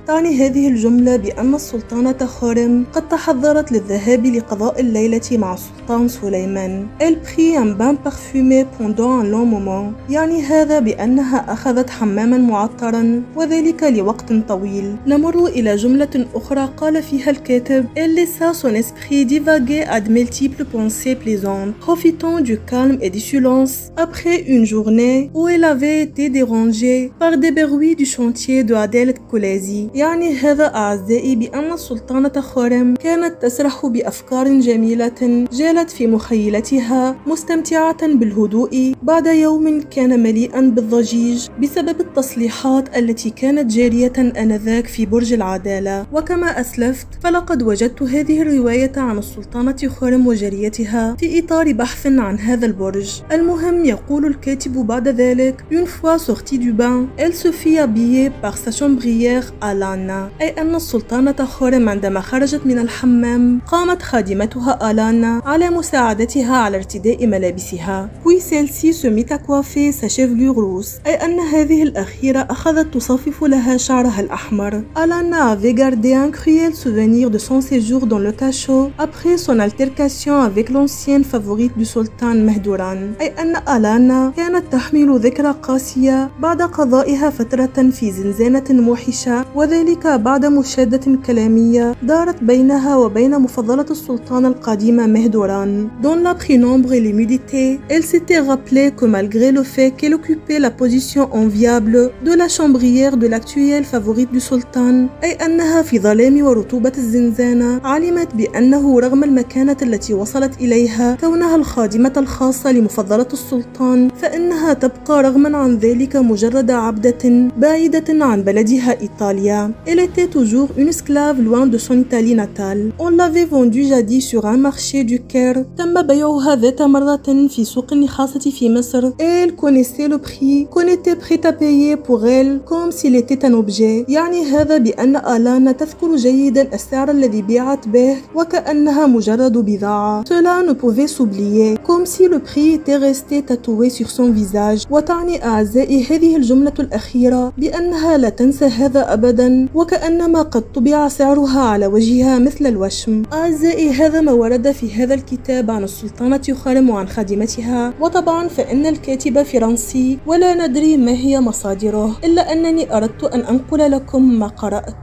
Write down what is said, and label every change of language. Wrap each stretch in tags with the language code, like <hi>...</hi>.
<ar>تعني هذه الجملة بأن السلطانة خورم قد تحضرت للذهاب لقضاء الليلة مع السلطان سليمان.</ar> <fr>إل بري ان بان بارفومي بوندون ان لون مومون،</fr> <ar>يعني هذا بأنها أخذت حماما معطرا وذلك لوقت طويل. نمر إلى جملة أخرى قال فيها الكاتب:</ar> <fr>Elle laissa son esprit divaguer à de multiples pensées plaisantes, profitant du calme et du silence après une journée où elle avait été dérangée par des bruits du chantier de Adèle Colesi.</fr> <ar>يعني هذا أعزائي بأن السلطانة خرم كانت تسرح بأفكار جميلة جالت في مخيلتها مستمتعة بالهدوء بعد يوم كان مليئا بالضجيج بسبب التصليحات التي كانت جارية آنذاك في برج العدالة. وكما أسلفت، فلقد وجدت هذه الرواية عن السلطانة خرم وجريتها في إطار بحث عن هذا البرج. المهم، يقول الكاتب بعد ذلك:</ar> <fr>Une fois sortie du bain, elle se fit habiller par sa chambrière à لانا.</fr> <ar>أي أن السلطانة خرم عندما خرجت من الحمام، قامت خادمتها ألانا على مساعدتها على ارتداء ملابسها.</ar> <fr>Puis celle-ci se mit à coiffer sa chevelure rousse.</fr> <ar>أي أن هذه الأخيرة أخذت تصفف لها شعرها الأحمر.</ar> <fr>ألانا avait gardé un cruel souvenir de son séjour dans le cachot après son altercation avec l'ancienne favorite du sultan Mahdouran.</fr> <ar>أي أن ألانا كانت تحمل ذكرى قاسية بعد قضائها فترة في زنزانة موحشة، وذلك بعد مشادة كلامية دارت بينها وبين مفضلة السلطان القديمة مهدوران.</ar> <fr>Dans la pénombre et l'humidité, elle s'était rappelée que malgré le fait qu'elle occupait la position enviable de la chambrière de l'actuelle favorite du sultan.</fr> <ar>أي أنها في ظلام ورطوبة الزنزانة علمت بأنه رغم المكانة التي وصلت إليها كونها الخادمة الخاصة لمفضلة السلطان، فإنها تبقى رغم عن ذلك مجرد عبدة بعيدة عن بلدها إيطاليا.</ar> <fr>Elle était toujours une esclave loin de son Italie natale. On l'avait vendue jadis sur un marché du Caire.</fr> <ar>تم بيعها ذات مرة في سوق النحاسة في مصر.</ar> <fr>Elle connaissait le prix qu'on était prêt à payer pour elle comme s'il était un objet.</fr> <ar>يعني هذا بأن ألانا تذكر جيدا السعر الذي بيعت به وكأنها مجرد بضاعة.</ar> <fr>Cela ne pouvait s'oublier comme si le prix était resté tatoué sur son visage.</fr> <ar>وتعني أعزائي هذه الجملة الأخيرة بأنها لا تنسى هذا أبدا، وكأنما قد طبع سعرها على وجهها مثل الوشم. أعزائي، هذا ما ورد في هذا الكتاب عن السلطانة خرم وعن خادمتها، وطبعا فإن الكاتب فرنسي ولا ندري ما هي مصادره، إلا أنني أردت أن أنقل لكم ما قرأت.</ar>